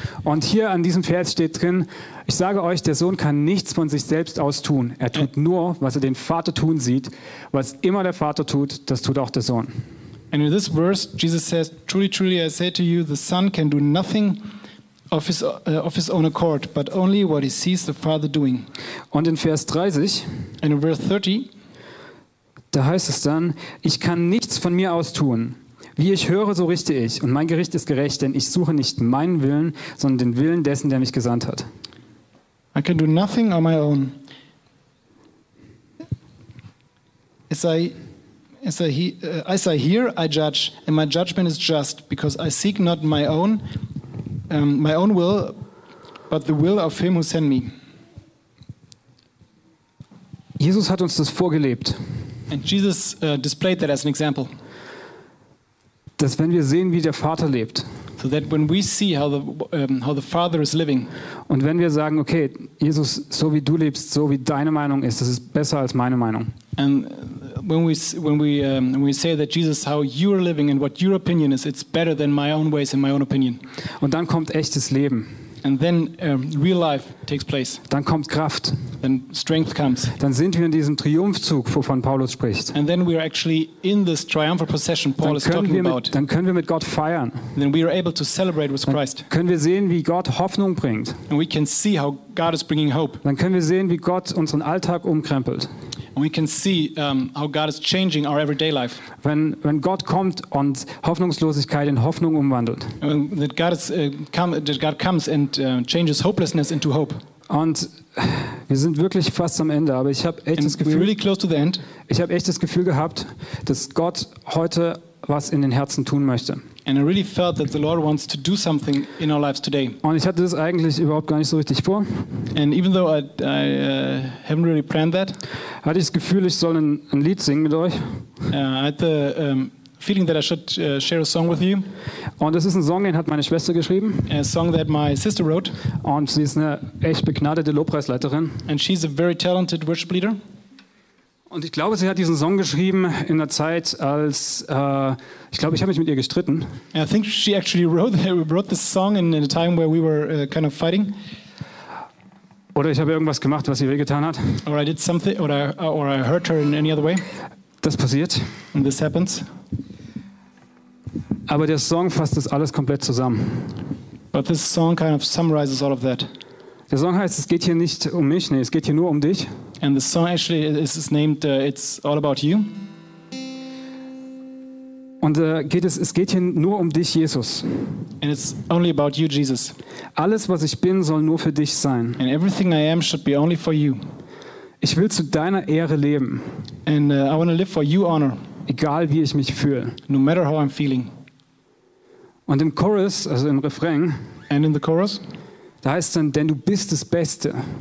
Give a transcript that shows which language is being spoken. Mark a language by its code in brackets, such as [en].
[de] Und hier an diesem Vers steht drin, ich sage euch, der Sohn kann nichts von sich selbst aus tun. Er tut nur, was er den Vater tun sieht. Was immer der Vater tut, das tut auch der Sohn. [en] And in this verse, Jesus says, truly, truly, I say to you, the Son can do nothing of his own accord, but only what he sees the Father doing. [de] Und in Vers 30, [en] and in verse 30, [de] da heißt es dann, ich kann nichts von mir aus tun. Wie ich höre, so richte ich. Und mein Gericht ist gerecht, denn ich suche nicht meinen Willen, sondern den Willen dessen, der mich gesandt hat. [en] I can do nothing on my own. As I hear, I judge, and my judgment is just, because I seek not my own will, but the will of him who sent me. [de] Jesus hat uns das vorgelebt. [en] And Jesus displayed that as an example. [de] Dass wenn wir sehen, wie der Vater lebt. [en] So that when we see how the Father is living. [de] Und wenn wir sagen, okay, Jesus, so wie du lebst, so wie deine Meinung ist, das ist besser als meine Meinung. [en] And when we say that Jesus, how you are living and what your opinion is, it's better than my own ways and my own opinion. [de] Und dann kommt echtes Leben. [en] And then real life takes place. [de] Dann kommt Kraft. [en] Then strength comes. [de] Dann sind wir in diesem Triumphzug, wovon Paulus spricht. [en] And then we are actually in this triumphal procession Paul is talking about. [de] Dann können wir mit Gott feiern. [en] Then we are able to celebrate with Christ. [de] Dann können wir sehen, wie Gott Hoffnung bringt. [en] And we can see how God is bringing hope. [de] Dann können wir sehen, wie Gott unseren Alltag umkrempelt. [en] And we can see how God is changing our everyday life. [de] Wenn Gott kommt und Hoffnungslosigkeit in Hoffnung umwandelt. [en] That God comes and changes hopelessness into hope. [de] Und wir sind wirklich fast am Ende, aber ich habe echt [en] and [de] das Gefühl. [en] Really close to the end. [de] Ich habe echt das Gefühl gehabt, dass Gott heute was in den Herzen tun möchte. [en] And I really felt that the Lord wants to do something in our lives today. [de] Und ich hatte das eigentlich überhaupt gar nicht so richtig vor. [en] And even though I haven't really planned that, [de] hatte ich das Gefühl, ich soll ein Lied singen mit euch. [en] I had the feeling that I should share a song with you. [de] Und das ist ein Song, den hat meine Schwester geschrieben. [en] A song that my sister wrote. [de] Und sie ist eine echt begnadete Lobpreisleiterin. [en] And she's a very talented worship leader. [de] Und ich glaube, sie hat diesen Song geschrieben in der Zeit, als ich glaube, ich habe mich mit ihr gestritten. [en] I think she actually wrote this song in a time where we were kind of fighting. [de] Oder ich habe irgendwas gemacht, was ihr wehgetan hat. [en] Or I did something, or I hurt her in any other way. [de] Das passiert. [en] And this happens. [de] Aber der Song fasst das alles komplett zusammen. [en] But this song kind of summarizes all of that. [de] Der Song heißt, es geht hier nicht um mich, nee, es geht hier nur um dich. [en] And the song actually is named It's All About You. [de] Und es geht hier nur um dich, Jesus. [en] And it's only about you, Jesus. [de] Alles, was ich bin, soll nur für dich sein. [en] And everything I am should be only for you. [de] Ich will zu deiner Ehre leben. [en] And I want to live for your honor. [de] Egal, wie ich mich fühle. [en] No matter how I'm feeling. [de] Und im Chorus, also im Refrain, [en] and in the chorus, [de] da heißt es dann, denn du bist das Beste.